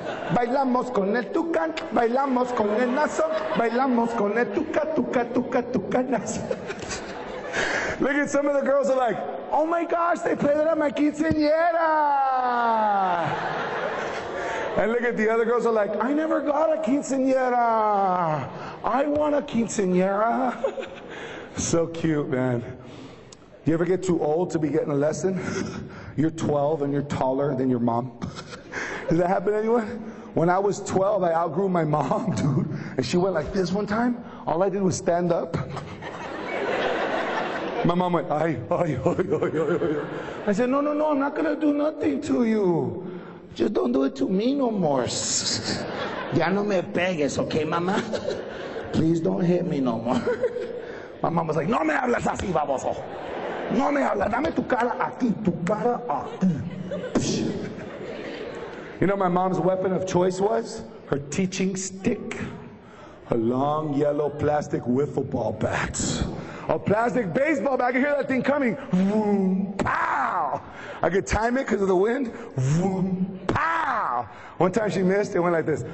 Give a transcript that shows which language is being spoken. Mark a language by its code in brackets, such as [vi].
[es] Bailamos con el tucan, bailamos con el nazo, bailamos con el tuca, tuca, tuca, tuca, nazo. [en] Look at some of the girls are like, oh my gosh, they played it at my quinceañera. And look at the other girls are like, I never got a quinceañera. I want a quinceañera. So cute, man. You ever get too old to be getting a lesson? You're 12 and you're taller than your mom. Did that happen to anyone? When I was 12, I outgrew my mom, dude. And she went like this one time. All I did was stand up. My mom went, ay, ay, ay, ay, ay, ay. I said, no, no, no, I'm not gonna do nothing to you. Just don't do it to me no more. [es] Ya no me pegues, okay, mama? [en] Please don't hit me no more. My mom was like, [es] no me hablas así, baboso. No me habla, dame tu cara aquí, tu cara aquí. [en] You know my mom's weapon of choice was? Her teaching stick. A long yellow plastic wiffle ball bat. A plastic baseball bat. I could hear that thing coming. Vroom, pow. I could time it because of the wind. Vroom, pow. One time she missed, it went like this.